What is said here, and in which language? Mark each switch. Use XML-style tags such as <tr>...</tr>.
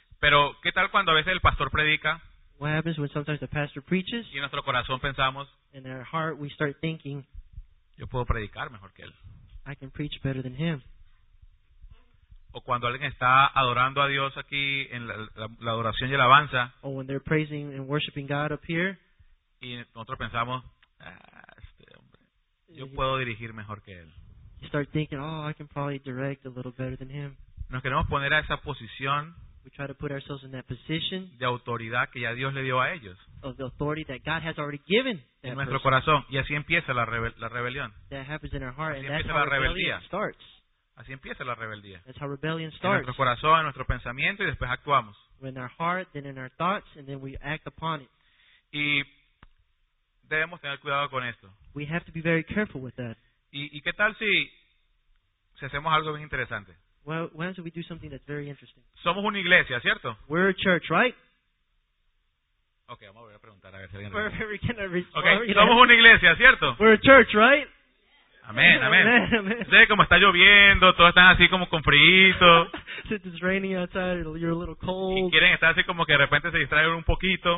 <es>Pero, ¿qué tal cuando a veces el pastor predica?</es> <en>What happens when sometimes the pastor preaches?</en> <es>Y en nuestro corazón pensamos.</es> <en>In our heart we start thinking.</en> <es>Yo puedo predicar mejor que él.</es> <en>I can preach better than him.</en> <es>O cuando alguien está adorando a Dios aquí en la adoración y alabanza.</es> <en>Or when they're praising and worshiping God up here.</en> <es>Y nosotros pensamos, hombre, yo puedo dirigir mejor que él.</es> <en>You start thinking, oh, I can probably direct a little better than him.</en> <es>Nos queremos poner a esa posición.</es> <en>We try to put ourselves in that position.</en> <es>De autoridad que ya Dios le dio a ellos.</es> <en>Of the authority that God has already given.</en> <es>En nuestro corazón. Y así empieza la rebelión.</es> <en>That happens in our heart.</en> <es>Así</es> <en>and that's how rebellion starts.</en> <es>Así empieza la rebeldía.</es> <en>That's how rebellion starts.</en> <es>En nuestro corazón, en nuestro pensamiento y después actuamos.</es> <en>In our heart, then in our thoughts, and then we act upon it.</en> <es>Y debemos tener cuidado con esto.</es> <en>We have to be very careful with that.</en> <es>¿Y qué tal si hacemos algo bien interesante?</es> <en>Well, why don't we do something that's very interesting?</en> <es>Somos una iglesia, ¿cierto?</es> <en>We're a church, right?</en> <es>Okay, vamos a volver a preguntar a ver si alguien.</es> <en>We're gonna respond.</en> <es>Okay, somos una iglesia, ¿cierto?</es> <en>We're a church, right?</en> <es>Amén, amén. Sé cómo está lloviendo, todos están así como con frío.</es> <en>Since it's raining outside, you're a little cold.</en> <es>Y quieren estar así como que de repente se distraen un poquito.</es>